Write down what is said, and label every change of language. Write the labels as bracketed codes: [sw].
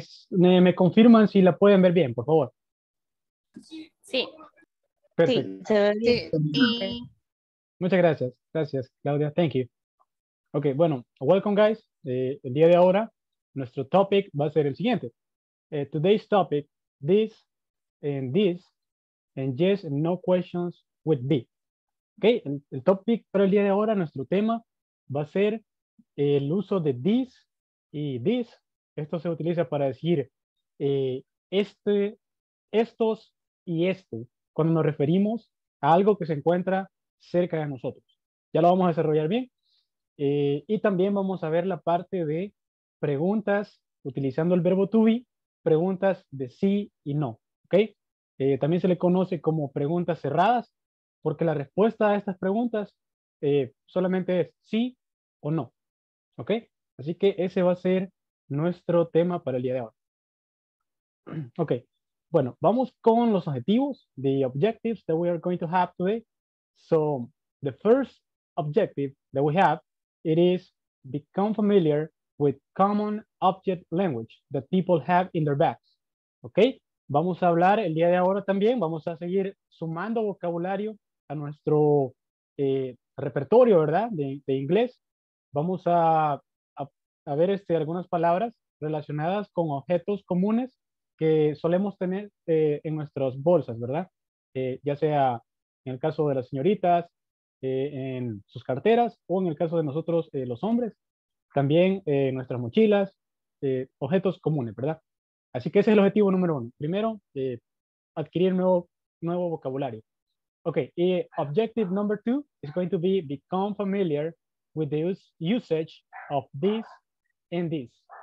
[es] ¿Me confirman si la pueden ver bien, por favor? Sí. Perfecto. Sí, se ve bien. Sí. Muchas gracias. Gracias, Claudia. [en] Thank you. [es] Ok, bueno, [en] welcome, guys. [es] El día de ahora, nuestro topic va a ser el siguiente. [en] Today's topic, this, and yes and no questions with be. [es] Ok, el topic para el día de ahora, nuestro tema, va a ser el uso de this y this. Esto se utiliza para decir estos y este, cuando nos referimos a algo que se encuentra cerca de nosotros. Ya lo vamos a desarrollar bien. Y también vamos a ver la parte de preguntas utilizando el verbo to be, preguntas de sí y no. ¿Okay? También se le conoce como preguntas cerradas, porque la respuesta a estas preguntas solamente es sí o no. ¿Okay? Así que ese va a ser nuestro tema para el día de hoy. Ok, bueno, vamos con los objetivos, [en] the objectives that we are going to have today. So, the first objective that we have, it is become familiar with common object language that people have in their bags. Okay? [es] Vamos a hablar el día de ahora también, vamos a seguir sumando vocabulario a nuestro repertorio, ¿verdad? De inglés. Vamos a ver algunas palabras relacionadas con objetos comunes que solemos tener en nuestras bolsas, ¿verdad? Ya sea en el caso de las señoritas, en sus carteras, o en el caso de nosotros, los hombres, también nuestras mochilas, objetos comunes, ¿verdad? Así que ese es el objetivo número uno. Primero, adquirir nuevo vocabulario. [en] Ok, objective number two is going to be become familiar with the usage of this and this.